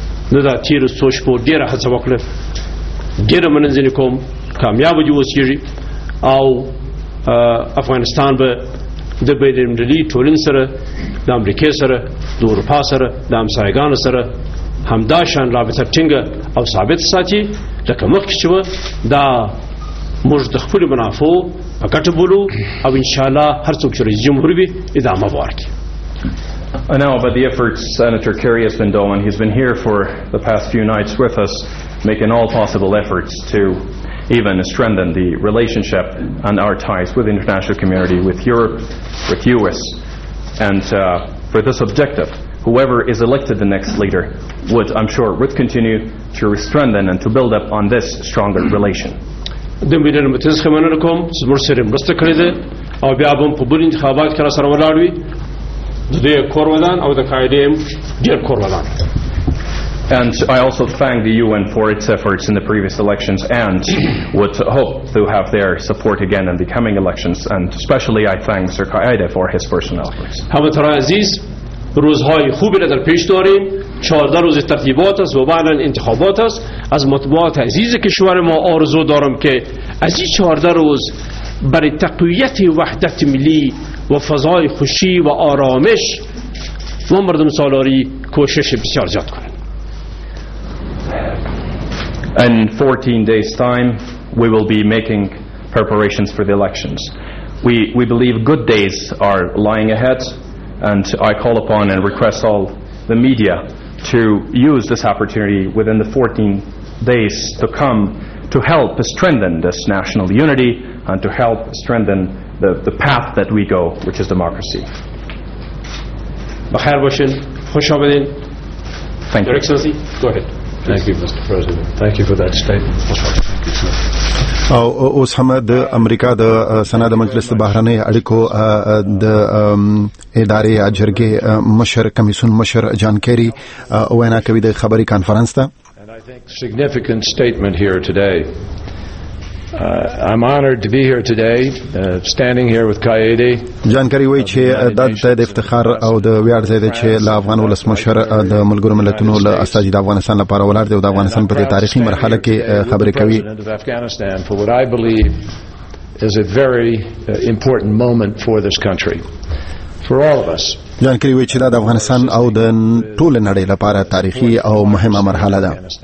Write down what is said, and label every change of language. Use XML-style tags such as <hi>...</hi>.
<ps>da tir soch po dera hasawakle dera manzini kom kamyab ju usiri aw افغانستان به د بیرمدلی ټولن سره د امریکای سره د اروپا سره د همسایګانو سره همداشان رابطه ټینګه او ثابت ساتي لکه مخکې چې و دا موږ د خپلو منافعو په ګټه بولو او انشاءالله هر څوک چې جمهور وي ادامه به ورکړي.</ps> <en>I know about the efforts Senator Kerry has been doing. He's been here for the past few nights with us, making all possible efforts to even strengthen the relationship and our ties with the international community, with Europe, with US. And for this objective, whoever is elected the next leader would, I'm sure, would continue to strengthen and to build up on this stronger relation. And I also thank the UN for its efforts in the previous elections and would hope to have their support again in the coming elections. And especially I thank Sir Qaeda for his personal efforts.</en> <fa>Hamatara Aziz, روزهای خوبی را در پیش داریم. 14 روز ترتیبات است و بعدا انتخابات است. از مطبوعات عزیز کشور ما آرزو دارم که از این 14 روز برای تقویت وحدت ملی و فضای خوشی و آرامش و مردم سالاری کوشش بسیار زیاد کنند.</fa> <en>In 14 days time we will be making preparations for the elections. We believe good days are lying ahead, and I call upon and request all the media to use this opportunity within the 14 days to come to help strengthen this national unity and to help strengthen the path that we go, which is democracy.</en> <fa>Bakhair Bashin, Khosh Abedin.</fa> <en>Thank you. Your Excellency, go ahead. Thank you, Mr. President. Thank you for that statement. Thank you,</en> <ps>sir. او اوس هم د امریکا د سنا د مجلس بهرنی اړیکو د ادارې اجرګې مشر کمیسون مشر جان کیری وینا کوي د خبری کانفرنس ته.</ps> <en>Significant statement here today. I'm honored to be here today, standing here with Kaede.</en> <ps>جان کری وی چې د دې افتخار او د ویاړ ځای دی چې لا افغان ولسمشر د ملګرو ملتونو له استازي د افغانستان لپاره ولاړ دی او د افغانستان په دې تاریخي مرحله کې خبرې کوي.</ps> <en>I believe is a very important moment for this country, for all of us.</en> <ps>جان کری وی چې د افغانستان او د ټول نړۍ لپاره تاریخي او مهمه مرحله ده.</ps>